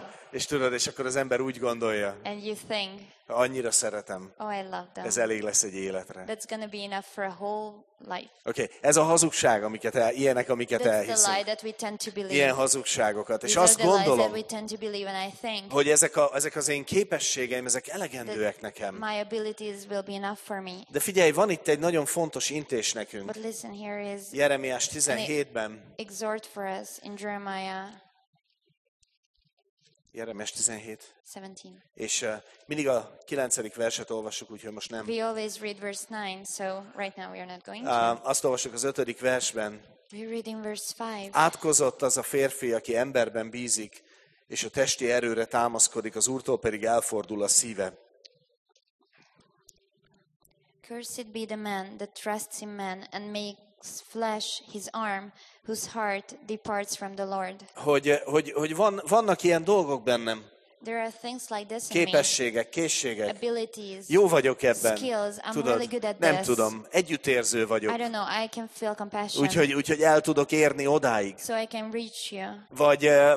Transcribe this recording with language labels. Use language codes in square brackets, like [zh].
[hu] És tudod, és akkor az ember úgy gondolja. [en] And you think. [hu] Annyira szeretem. [en] Oh, I love that. [hu] Ez elég lesz egy életre. [en] That's gonna be enough for a whole life. [hu] Okay, ez a hazugság, amiket elhiszünk. [en] That's the lie that we tend to believe. [hu] Ilyen hazugságokat. [en] These [hu] és azt gondolom, [en] that we tend to believe, and I think, [hu] hogy ezek az én képességeim, ezek elegendőek nekem. [en] My abilities will be enough for me. [hu] De figyelj, van itt egy nagyon fontos intés nekünk. [en] But listen, here is [hu] Jeremiás 17-ben. [en] Exhort for us in Jeremiah. [hu] Jeremiás 17. 17. És mindig a 9. verset olvassuk, úgyhogy most nem. [en] We always read verse 9, so right now we are not going to. [hu] Azt olvassuk az 5. versben. [en] We're reading verse 5. [hu] Átkozott az a férfi, aki emberben bízik, és a testi erőre támaszkodik, az Úrtól pedig elfordul a szíve. [en] Cursed be the man that trusts in man and makes flesh his arm, whose heart departs from the Lord. [hu] Hogy vannak ilyen dolgok bennem. [en] There are things like this in me. [hu] Képességek, készségek. [en] Abilities. [hu] Jó vagyok ebben. [en] Skills. I'm [hu] tudod, [en] really good at this. [hu] Nem tudom. Együttérző vagyok. [en] I don't know. I can feel compassion. [hu] Úgyhogy el tudok érni odáig. [en] So I can reach you.